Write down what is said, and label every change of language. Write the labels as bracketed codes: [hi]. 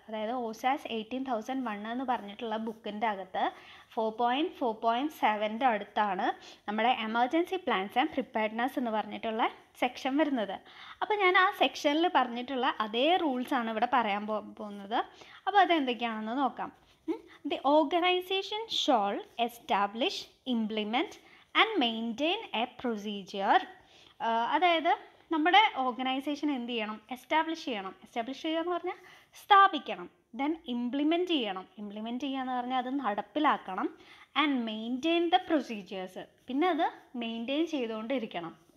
[ml] അതായത് ഓസാസ് 18001 എന്ന് പറഞ്ഞിട്ടുള്ള ബുക്കിൻ്റെ അകത്ത് 4.4.7 അടുത്താണ് നമ്മുടെ എമർജൻസി പ്ലാൻസ് ആൻഡ് പ്രിപ്പയർനെസ് എന്ന് പറഞ്ഞിട്ടുള്ള സെക്ഷൻ വരുന്നത്. അപ്പോൾ ഞാൻ ആ സെക്ഷനിൽ പറഞ്ഞിട്ടുള്ള അതേ റൂൾസാണ് ഇവിടെ പറയാൻ പോകുന്നത്. അപ്പോൾ അതെന്തൊക്കെയാണെന്ന് നോക്കാം. [en] The organization shall establish, implement and maintain a procedure. [ml] അതായത് നമ്മുടെ ഓർഗനൈസേഷൻ എന്ത് ചെയ്യണം, എസ്റ്റാബ്ലിഷ് ചെയ്യണം. എസ്റ്റാബ്ലിഷ് ചെയ്യുക എന്ന് പറഞ്ഞാൽ സ്ഥാപിക്കണം. ദെൻ ഇംപ്ലിമെൻറ്റ് ചെയ്യണം. ഇംപ്ലിമെൻറ്റ് ചെയ്യുക എന്ന് പറഞ്ഞാൽ അത് നടപ്പിലാക്കണം. [en] and maintain the procedures, [ml] പിന്നെ അത് മെയിൻറ്റെയിൻ ചെയ്തുകൊണ്ടിരിക്കണം.